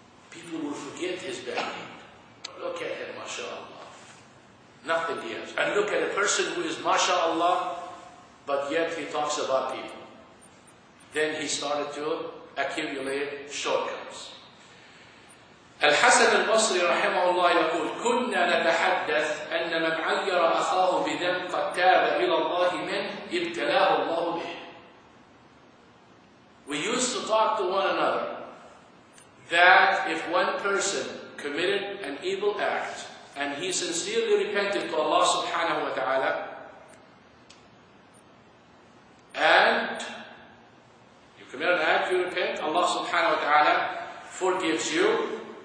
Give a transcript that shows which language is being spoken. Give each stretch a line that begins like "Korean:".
English: People will forget his bad deed. Look at him, mashallah. Nothing he has. And look at a person who is mashallah, but yet he talks about people. Then he started to accumulate shortcuts.
Arabic: الحسن البصري رحمه الله يقول كنا نتحدث أن من عير أخاه بذنب قد تاب إلى الله منه ابتلاه الله به.
English: We used to talk to one another that if one person committed an evil act and he sincerely repented to Allah subhanahu wa ta'ala and you commit an act, you repent, Allah subhanahu wa ta'ala forgives you.